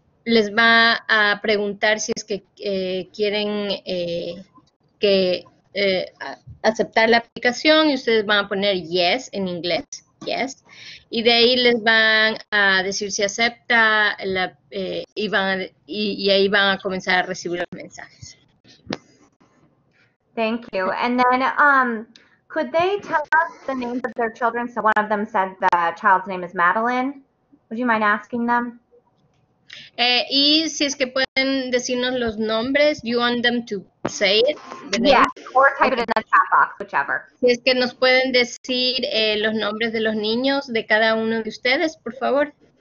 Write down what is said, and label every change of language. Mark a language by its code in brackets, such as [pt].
[es] Les va a preguntar si es que quieren que aceptar la aplicación y ustedes van a poner yes en inglés, yes, y de ahí les van a decir si acepta la y ahí van a comenzar a recibir los mensajes. [en] Thank you. And then could they tell us the names of their children? So one of them said the child's name is Madeline. Would you mind asking them? [es] Y si es que pueden decirnos los nombres, [en] you want them to say it? Yeah, or type it in the chat box, whichever. [es] Si es que nos pueden decir los nombres de los niños de cada uno de ustedes, por favor.